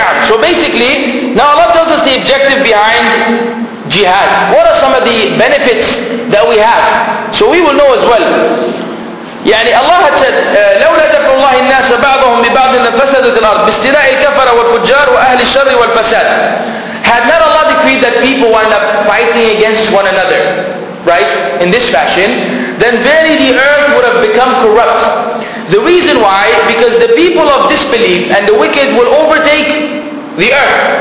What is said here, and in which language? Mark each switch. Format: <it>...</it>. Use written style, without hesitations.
<en>So basically, now Allah tells us the objective behind jihad. What are some of the benefits that we have? So we will know as well.</en> <ar>يعني الله</ar> <en>had said,</en> <ar>لولا دفع الله الناس بعضهم ببعض لفسدت الأرض باستيلاء الكفرة والفجار وأهل الشر والفساد.</ar> <en>Had not Allah decreed that people wind up fighting against one another, right, in this fashion, then verily the earth would have become corrupt. The reason why, because the people of disbelief and the wicked will overtake the earth.</en>